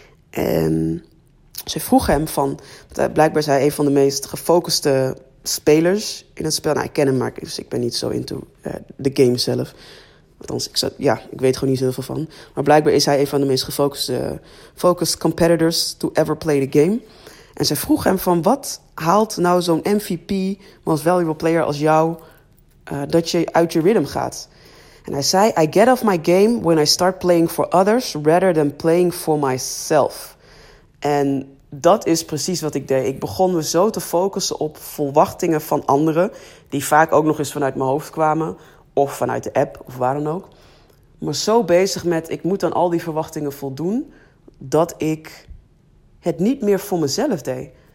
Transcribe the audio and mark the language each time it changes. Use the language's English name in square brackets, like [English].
[Dutch] En ze vroeg hem van, blijkbaar zei hij een van de meest gefocuste spelers in het spel. Nou, ik ken hem, maar dus ik ben niet zo [English] into the game [Dutch] zelf. Althans, ik weet gewoon niet zoveel van. Maar blijkbaar is hij een van de meest gefocuste [English] focused competitors to ever play the game. [Dutch] En ze vroeg hem van, wat haalt nou zo'n MVP, [English] most valuable player [Dutch] als jou, dat je uit je rhythm gaat? En hij zei, [English] I get off my game when I start playing for others rather than playing for myself. [Dutch] En dat is precies wat ik deed. Ik begon me zo te focussen op verwachtingen van anderen, die vaak ook nog eens vanuit mijn hoofd kwamen, of vanuit de app, of waar dan ook. Maar zo bezig met, ik moet aan al die verwachtingen voldoen, dat ik het niet meer voor mezelf deed.